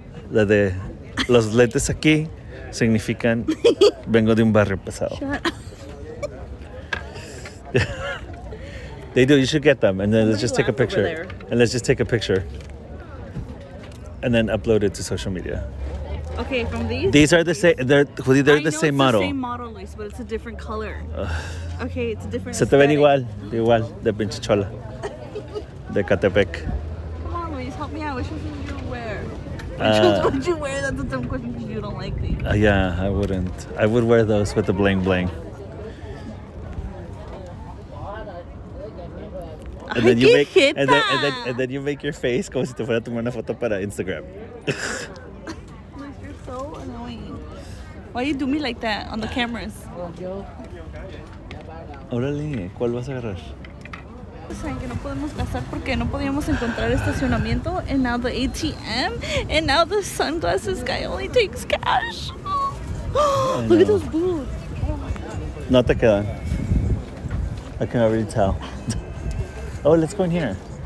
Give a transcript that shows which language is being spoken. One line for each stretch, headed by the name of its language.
Spanish: La de los lentes aquí significan vengo de un barrio pesado.
English: They do. You should get them, and then let's just take a picture. And let's just take a picture. And then upload it to social media. Okay, from these? These are the same. They're the same model. I know it's the same model, Luis, but it's a different color. Okay, it's a different color.
Spanish: Se te ven igual. Igual. De pinche chola. De Catepec.
English: Come on, Luis. Help me out. Which one would you wear? Which one would you wear? That's a dumb question because you don't like these. Yeah, I wouldn't. I would wear those with the bling bling. And then, and then you make your face
Spanish: como si te fuera a tomar una foto para Instagram.
English: Luis, you're so annoying. Why you do me like that on the cameras?
Spanish: Órale, ¿cuál vas a agarrar? Saben que no podemos gastar porque no podíamos encontrar estacionamiento.
English: And now the ATM. And now the sunglasses guy only takes cash. Look at those boots.
Spanish: No te quedan.
English: I can already tell. Oh, let's go in here.